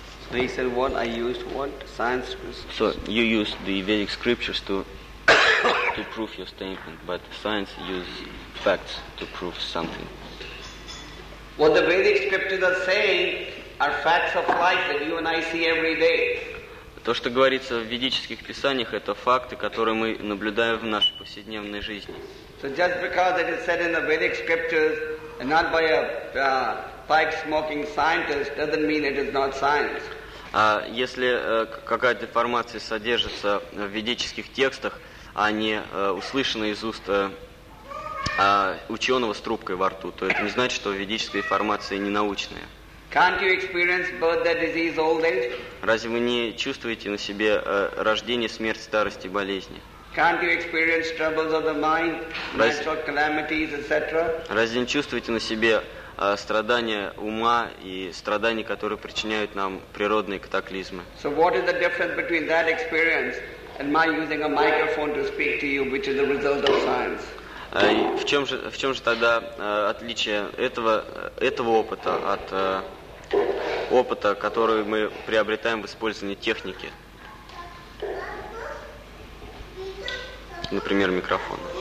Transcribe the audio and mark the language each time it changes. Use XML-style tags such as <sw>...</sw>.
<en>So he said, "What I used, what science." So you use the Vedic scriptures to to prove your statement, but science uses facts to prove something. What the Vedic scriptures are saying are facts of life that you and I see every day.</en> <ru>То, что говорится в ведических писаниях, это факты, которые мы наблюдаем в нашей повседневной жизни.</ru> <en>So just because it is said in the Vedic scriptures and not by a pipe-smoking scientist doesn't mean it is not science.</en> <ru>А если какая-то информация содержится в ведических текстах, а не услышана из уст ученого с трубкой во рту, то это не значит, что ведическая информация не научная.</ru> <en>Can't you experience birth, death, disease, old age?</en> <ru>Разве вы не чувствуете на себе рождение, смерть, старость и болезни?</ru> <en>Can't you experience troubles of the mind, natural calamities, etc.?</en> <ru>Разве не чувствуете на себе страдания ума и страдания, которые причиняют нам природные катаклизмы?</ru> <en>So what is the difference between that experience and my using a microphone to speak to you, which is a result of science?</en> <ru>В чем же тогда отличие этого опыта от опыта, который мы приобретаем в использовании техники? Например, микрофон.</ru>